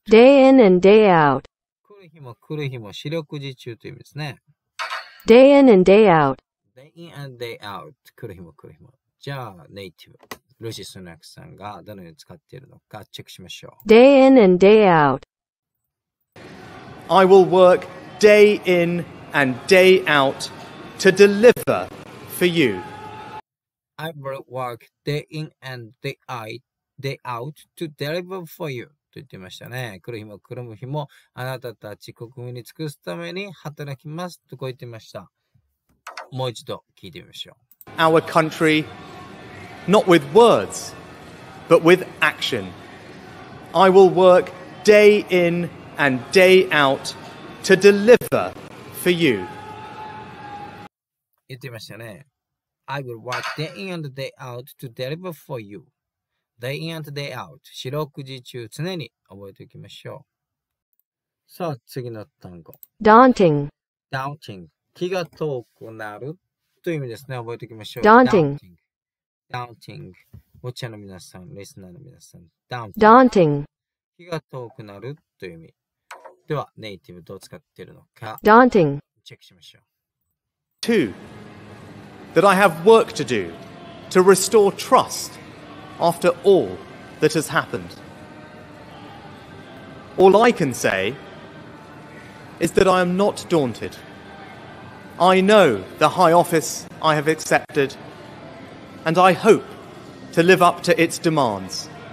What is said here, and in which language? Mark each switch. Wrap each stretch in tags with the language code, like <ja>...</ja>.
<en>Day in and day out。</en> <ja>来る日も来る日も四六時中という意味ですね。</ja> <en>Day in and day out。 Day in and day out。</en> <ja>来る日も来る日も。じゃあ、ネイティブ、ルシスナックさんがどのように使っているのかチェックしましょう。</ja> <en>Day in and day out。 I will work day in and day out to deliver for you。 I will work day in and day out to deliver for you</en> <ja>と言ってましたね。来る日も来る日もあなたたち国民に尽くすために働きますとこう言ってました。もう一度聞いてみましょう。</ja> <en>Our country, not with words, but with action. I will work day in and day out to deliver for you.</en> <ja>言ってましたね。</ja> <en>I will work day in and day out to deliver for you. Day in and day out.</en> <ja>四六時中常に覚えておきましょう。さあ、次の単語。</ja> <en>Daunting. Daunting.</en> <ja>気が遠くなるという意味ですね。覚えておきましょう。</ja> <en>Daunting。 Daunting。</en> <ja>お茶の皆さん、リスナーの皆さん、</ja> <en>Daunting。</en> <ja>気が遠くなるという意味。では、ネイティブどう使っているのか。</ja> <en>Daunting。</en> <ja>チェックしましょう。</ja> <en>Two. That I have work to do to restore trust after all that has happened. All I can say is that I am not daunted. I know the high office I have accepted, and I hope to live up to its demands.</en>